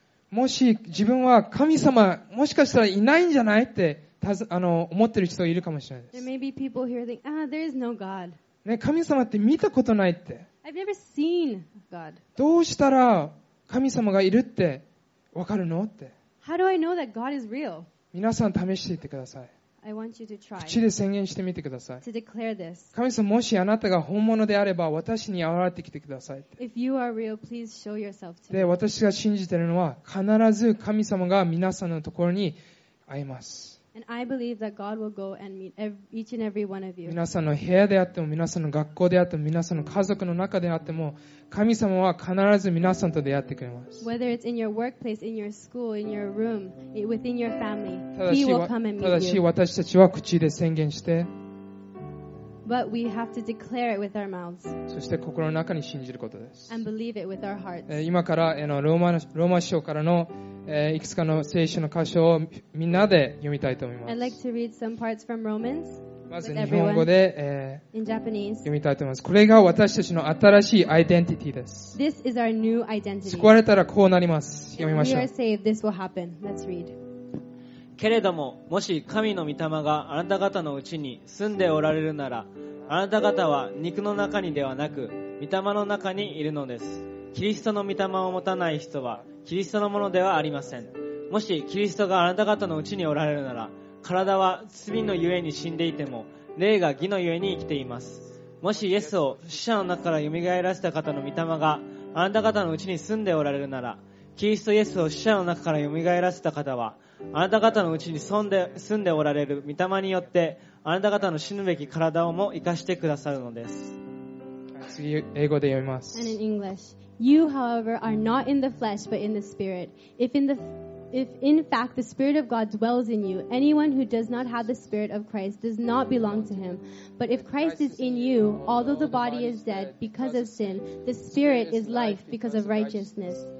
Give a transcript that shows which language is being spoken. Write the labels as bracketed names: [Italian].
[Japanese] もし自分は神様、もしかしたらいないんじゃないって思ってる人いるかもしれないです。 [English] There may be people here think, ah, there is no God. [Japanese] ね、神様って見たことないって。 [English] I've never seen God. [Japanese] どうしたら神様がいるってわかるのって。 [English] How do I know that God is real? [Japanese] 皆さん試していってください。 [English] I want you to try. [Japanese] 口で宣言してみてください。 [English] To declare this. [Japanese] 神様、もしあなたが本物であれば、私に現れてきてください。 [English] If you are real, please show yourself to me. [Japanese] で、私が信じているのは、必ず神様が皆さんのところに会います。 [English] And I believe that God will go and meet each and every one of you. [Japanese] 皆さんの部屋であっても、皆さんの学校であっても、皆さんの家族の中であっても、神様は必ず皆さんと出会ってくれます。 [English] Whether it's in your workplace, in your school, in your room, within your family, He will come and meet you. [Japanese] ただし私たちは口で宣言して、 [English] But we have to declare it with our mouths. [Japanese] そして心の中に信じることです。 [English] And believe it with our hearts. [Japanese] 今からローマ書からのいくつかの聖書の箇所をみんなで読みたいと思います。 [English] I'd like to read some parts from Romans. [Japanese] まず日本語で、 [English] in Japanese. [Japanese] 読みたいと思います。これが私たちの新しいアイデンティティです。 [English] This is our new identity. [Japanese] 救われたらこうなります。読みましょう。 [English] If we are saved, this will happen. Let's read. [Japanese] けれども、もし神の御霊があなた方のうちに住んでおられるなら、あなた方は肉の中にではなく、御霊の中にいるのです。キリストの御霊を持たない人は、キリストのものではありません。もしキリストがあなた方のうちにおられるなら、体は罪のゆえに死んでいても、霊が義のゆえに生きています。もしイエスを死者の中から蘇らせた方の御霊があなた方のうちに住んでおられるなら、キリストイエスを死者の中から蘇らせた方は、あなた方のうちに住んでおられる御霊によってあなた方の死ぬべき体をも生かしてくださるのです。次英語で読みます。 [English] And in English, You however are not in the flesh but in the spirit. If in fact the spirit of God dwells in you, anyone who does not have the spirit of Christ does not belong to him. But if Christ is in you, although the body is dead because of sin, the spirit is life because of righteousness.